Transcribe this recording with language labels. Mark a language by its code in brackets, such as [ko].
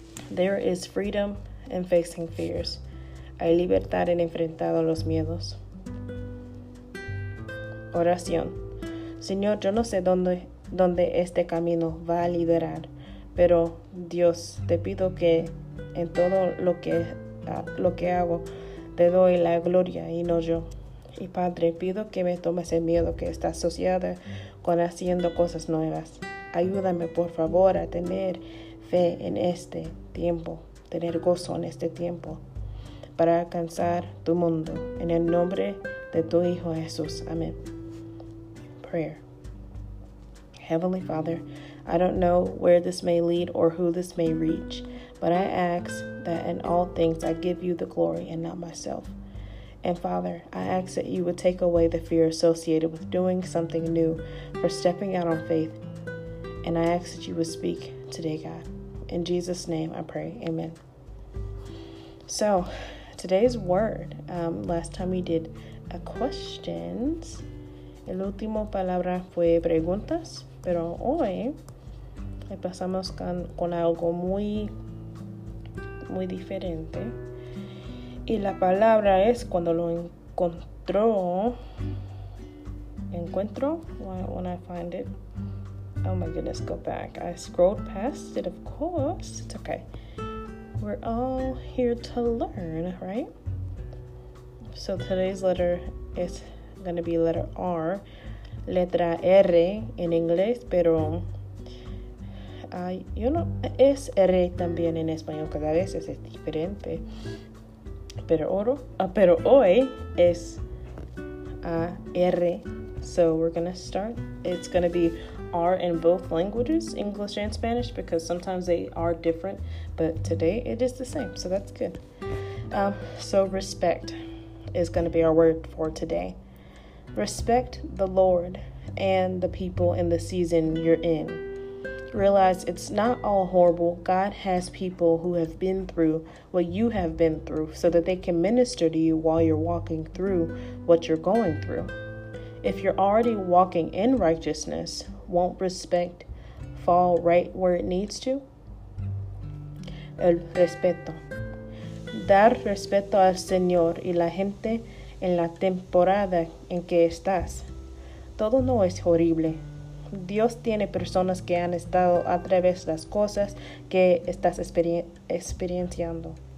[en] There is freedom in facing fears. [es] Hay libertad en enfrentar los miedos. Oración. Señor, yo no sé dónde este camino va a liderar, pero Dios, te pido que en todo lo que hago, te doy la gloria y no yo. Y Padre, pido que me tomes el miedo que está asociado con haciendo cosas nuevas. Ayúdame, por favor, a tener fe en este tiempo, tener gozo en este tiempo, para alcanzar tu mundo. En el nombre de tu Hijo Jesús. Amén. [en] Prayer. Heavenly Father, I don't know where this may lead or who this may reach, but I ask that in all things I give you the glory and not myself. And Father, I ask that you would take away the fear associated with doing something new, for stepping out on faith. And I ask that you would speak today, God. In Jesus' name I pray, amen. So, today's word, last time we did a questions. [es] El último palabra fue preguntas, pero hoy pasamos con algo muy, muy diferente. Y la palabra es, cuando lo encontró, [en] encuentro, when I find it. Oh my goodness, go back. I scrolled past it, of course. It's okay. We're all here to learn, right? So today's letter is going to be letter R. [es] Letra R en inglés, pero yo no, es R también en español, cada vez es diferente. Pero hoy es R. [en] So we're going to start. It's going to be R in both languages, English and Spanish, because sometimes they are different, but today it is the same, so that's good. So respect is going to be our word for today. Respect the Lord and the people in the season you're in. Realize it's not all horrible. God has people who have been through what you have been through so that they can minister to you while you're walking through what you're going through. If you're already walking in righteousness, won't respect fall right where it needs to? [es] El respeto. Dar respeto al Señor y la gente en la temporada en que estás. Todo no es horrible. Dios tiene personas que han estado a través de las cosas que estás experimentando.